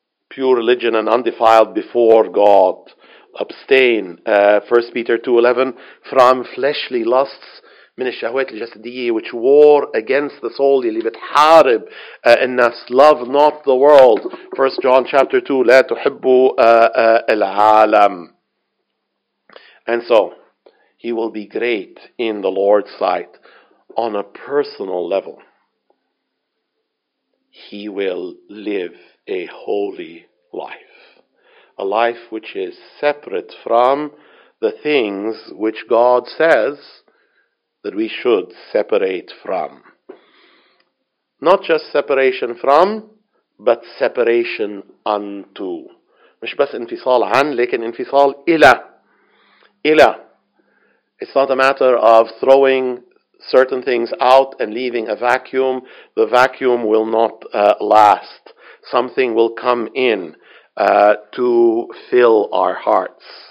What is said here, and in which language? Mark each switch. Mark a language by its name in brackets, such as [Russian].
[English] Pure religion and undefiled before God. Abstain, 1 Peter 2:11, from fleshly lusts, [Arabic] من الشهوات الجسدية, [English] which war against the soul, [Arabic] يلي بتحارب الناس. [English] Love not the world. 1 John chapter 2, [Arabic] لا تحبوا العالم. [English] And so, he will be great in the Lord's sight on a personal level. He will live a holy life, a life which is separate from the things which God says that we should separate from. Not just separation from, but separation unto. [Arabic] مش بس انفصال عن, لكن انفصال إلى. إلى. [English] It's not a matter of throwing certain things out and leaving a vacuum. The vacuum will not last. Something will come in to fill our hearts.